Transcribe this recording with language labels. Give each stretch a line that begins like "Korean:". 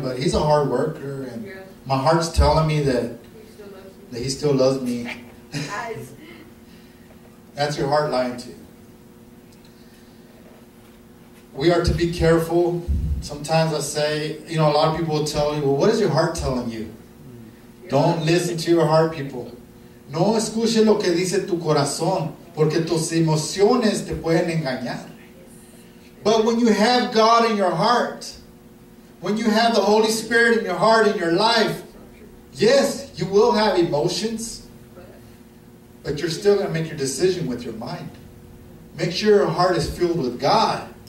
English: But he's a hard worker. And my heart's telling me that he still loves me. That's your heart lying to you. We are to be careful. Sometimes I say, you know, a lot of people will tell me, well, what is your heart telling you? Don't listen to your heart, people.
Spanish: No escuche lo que dice tu corazón, porque tus emociones te pueden engañar.
English: But when you have God in your heart, when you have the Holy Spirit in your heart, in your life, yes, you will have emotions. But you're still going to make your decision with your mind. Make sure your heart is filled with God.